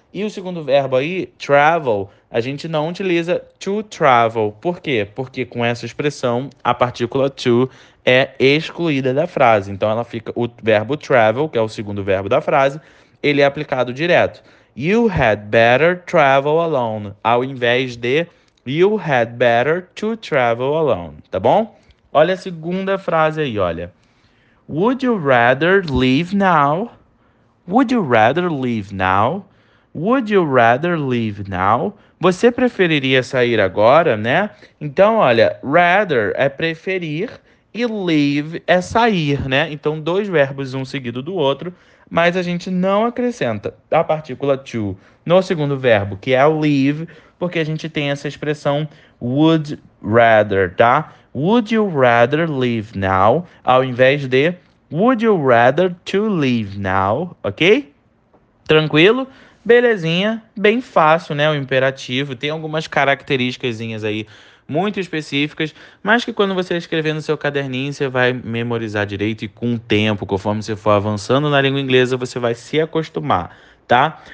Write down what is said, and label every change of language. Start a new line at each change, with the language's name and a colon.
Portuguese: E o segundo verbo aí, travel, a gente não utiliza to travel. Por quê? Porque com essa expressão, a partícula to é excluída da frase. Então, ela fica o verbo travel, que é o segundo verbo da frase, ele é aplicado direto.
English: You had better travel alone.
Portuguese: Ao invés de
English: you had better to travel alone.
Portuguese: Tá bom? Olha a segunda frase aí, olha.
English: Would you rather leave now? Would you rather leave now? Would you rather leave now?
Portuguese: Você preferiria sair agora, né? Então, olha, rather é preferir e leave é sair, né? Então, dois verbos um seguido do outro, mas a gente não acrescenta a partícula to no segundo verbo, que é leave, porque a gente tem essa expressão would rather, tá?
English: Would you rather leave now?
Portuguese: Ao invés de
English: would you rather to leave now?
Portuguese: Ok? Tranquilo? Belezinha, bem fácil, né? O imperativo tem algumas características aí muito específicas, mas que quando você escrever no seu caderninho, você vai memorizar direito e com o tempo, conforme você for avançando na língua inglesa, você vai se acostumar, tá?